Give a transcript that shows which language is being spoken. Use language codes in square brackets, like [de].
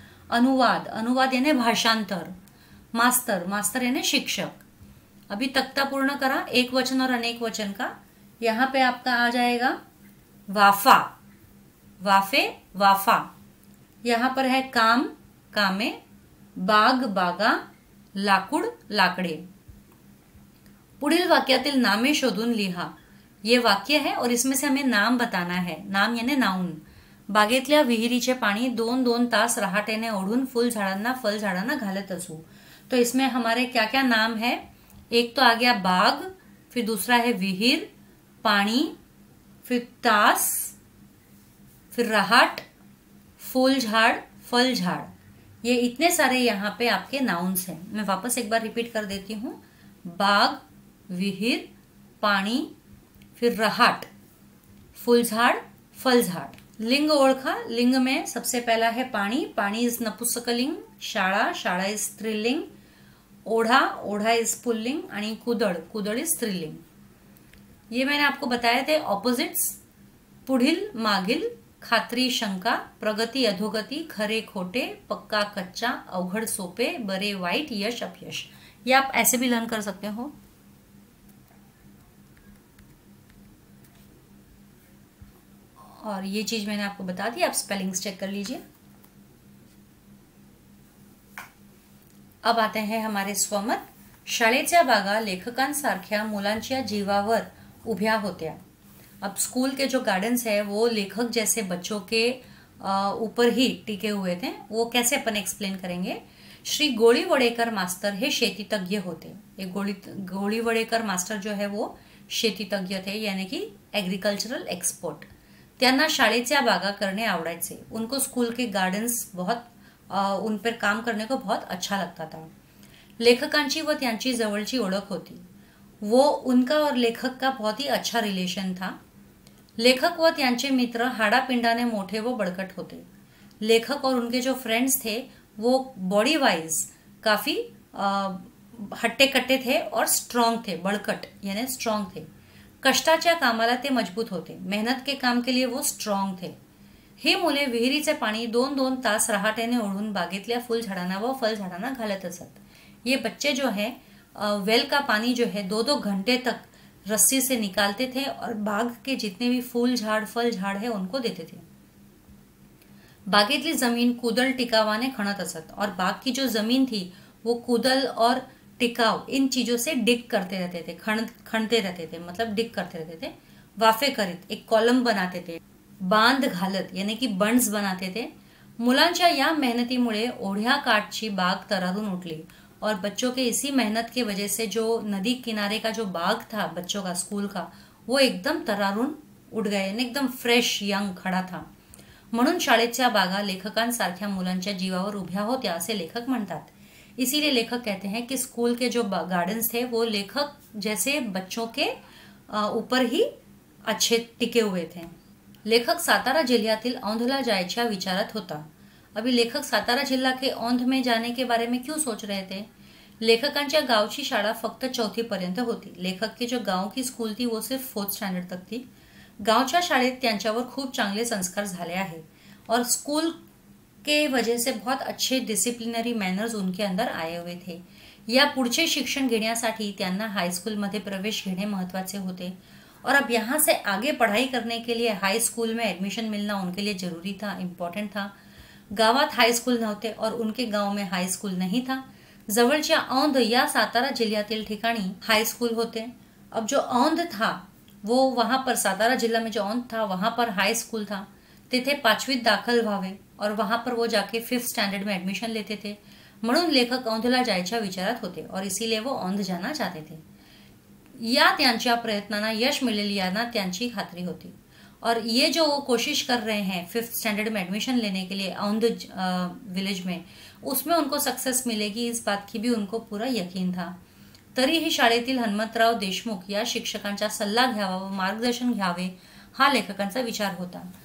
[hi] अनुवाद, अनुवाद यानी भाषांतर. मास्तर, मास्तर यानी शिक्षक. अभी तख्ता पूर्ण करा एक वचन और अनेक वचन का. यहाँ पे आपका आ जाएगा वाफा, वाफे, वाफा. यहाँ पर है काम, कामे. बाग, बागा. [mr] लाकुड़, लाकड़े. पुढील वाक्यातील नामे शोधून लिहा. [hi] ये वाक्य है और इसमें से हमें नाम बताना है. नाम यानी नाउन. [mr] बागेतल्या विहिरीचे पाणी दोन दोन तास रहाटेने ओढून फूल झाडांना फल झाडांना घालत असू. [hi] तो इसमें हमारे क्या क्या नाम है? एक तो आ गया बाग, फिर दूसरा है विहिर, पानी, फिर तास, फिर रहाट, फूल झाड़, फल झाड़. ये इतने सारे यहाँ पे आपके नाउन्स हैं. मैं वापस एक बार रिपीट कर देती हूँ. बाग, विहिर, पानी, फिर रहाट, फूल झाड़, फल झाड़. [mr] लिंग ओळखा. [hi] लिंग में सबसे पहला है पानी. पानी इज नपुसकलिंग. [mr] शाळा, शाळा इज स्त्रीलिंग. ओढ़ा, ओढ़ा इज पुल्लिंग. आणि कुदड़, कुदड़ इज स्त्रीलिंग. [hi] ये मैंने आपको बताया थे ऑपोजिट्स. [mr] पुढ़िल, मागिल. खात्री, शंका. प्रगति, अधोगति. खरे, खोटे. पक्का, कच्चा. अवघड़, सोपे. बरे, वाइट. यश, अपयश. [hi] ये आप ऐसे भी लर्न कर सकते हो. और ये चीज मैंने आपको बता दी, आप स्पेलिंग्स चेक कर लीजिए. अब आते हैं हमारे स्वमत. [mr] शाळेच्या बागा लेखकांसारख्या मुलांच्या जीवावर उभ्या होत्या. [hi] अब स्कूल के जो गार्डन्स है वो लेखक जैसे बच्चों के ऊपर ही टिके हुए थे. वो कैसे अपन एक्सप्लेन करेंगे? [mr] श्री गोळीवडेकर मास्तर हे शेतीतज्ञ होते. [hi] ये गोळीवडेकर मास्तर जो है वो शेतीतज्ञ थे, यानी कि एग्रीकल्चरल एक्सपर्ट. [mr] त्यांना शाळेच्या बागा करणे आवडायचे. [hi] उनको स्कूल के गार्डन्स बहुत उन पर काम करने को बहुत अच्छा लगता था. [mr] लेखकांची व त्यांची जवळची ओळख होती। [hi] वो उनका और लेखक का बहुत ही अच्छा रिलेशन था। [mr] लेखक व त्यांचे मित्र हाडापिंडाने मोठे व बळकट होते। [hi] लेखक और उनके जो फ्रेंड्स थे वो बॉडी वाइज काफ़ी हट्टे कट्टे थे और स्ट्रांग थे, बळकट यानी स्ट्रांग थे। [mr] कष्टाच्या कामाला ते मजबूत होते, [hi] मेहनत के काम के लिए वो स्ट्रांग थे। [mr] ही मुले विहिरीचे पाणी दोन दोन तास रहाटेने ओढून बागेतल्या फुलझाडांना व फलझाडांना घालत असत। [hi] ये बच्चे जो है वेल का पानी जो है दो दो घंटे तक रस्सी से निकालते थे और बाग के जितने भी फूल झाड़ फल झाड़ है उनको देते थे। [mr] बागेतली जमीन कुदल टिकावाने खणत असत [hi] और बाग की जो जमीन थी वो कुदल और टिकाव इन चीजों से डिग करते रहते थे, खणते रहते थे, मतलब डिग करते रहते थे। [mr] वाफे करीत [hi] एक कॉलम बनाते थे, [mr] बांध घालत [hi] यानी कि बंड्स बनाते थे। [mr] मुलांच्या या मेहनतीमुळे ओढ्या काठची बाग तरारून उठली [hi] और बच्चों के इसी मेहनत के वजह से जो नदी किनारे का जो बाग था बच्चों का स्कूल का वो एकदम तरारून उठ गए, एकदम फ्रेश यंग खड़ा था। [mr] म्हणून शाळेच्या बागा लेखकांसारख्या मुलांच्या जीवावर उभ्या होत्या असे लेखक म्हणतात। [hi] इसीलिए लेखक कहते हैं कि स्कूल के जो गार्डन्स थे वो लेखक जैसे बच्चों के ऊपर ही अच्छे टिके हुए थे। [mr] लेखक सातारा जिल्ह्यातील औंधला जायच्या विचारत होता। [hi] अभी लेखक सातारा जिल्हा के औंध में जाने के बारे में क्यों सोच रहे थे? [mr] लेखकांच्या गावची शाळा फक्त चौथी पर्यंत होती। [hi] लेखक की जो गाँव की स्कूल थी वो सिर्फ फोर्थ स्टैंडर्ड तक थी। [mr] गाँवच्या शाळेत त्यांच्यावर खूप चांगले संस्कार झाले आहे [hi] और स्कूल के वजह से बहुत अच्छे डिसिप्लिनरी मैनर्स उनके अंदर आए हुए थे। [mr] या पुढचे शिक्षण घेण्यासाठी त्यांना हायस्कूल मध्ये प्रवेश घेणे महत्त्वाचे होते [hi] और अब यहाँ से आगे पढ़ाई करने के लिए हायस्कूल में एडमिशन मिलना उनके लिए जरूरी था, इम्पॉर्टेंट था। [mr] गावात हायस्कूल नव्हते [hi] और उनके गाँव में हायस्कूल नहीं था। [mr] जवळच्या औंध या सातारा जिल्ह्यातील ठिकाणी हायस्कूल होते। [hi] अब जो औंध था वो वहाँ पर सातारा जिल्हा में जो औंध था वहाँ पर हायस्कूल था। [mr] तिथे पाचवीत दाखल व्हावे [hi] और वहाँ पर वो जाके फिफ्थ स्टैंडर्ड में एडमिशन लेते थे। [mr] म्हणून लेखक औंधला जायच्या विचारत होते [hi] और इसीलिए वो औंध जाना चाहते थे। [mr] या त्यांच्या प्रयत्नांना यश मिळेल याना त्यांची खात्री होती [hi] और ये जो वो कोशिश कर रहे हैं फिफ्थ स्टैंडर्ड में एडमिशन लेने के लिए औंध विलेज में उसमें उनको सक्सेस मिलेगी इस बात की भी उनको पूरा यकीन था। [mr] तरीही शाळेतील हनुमंतराव देशमुख या शिक्षकांचा सल्ला घ्यावा व मार्गदर्शन घ्यावे हा लेखकांचा विचार होता।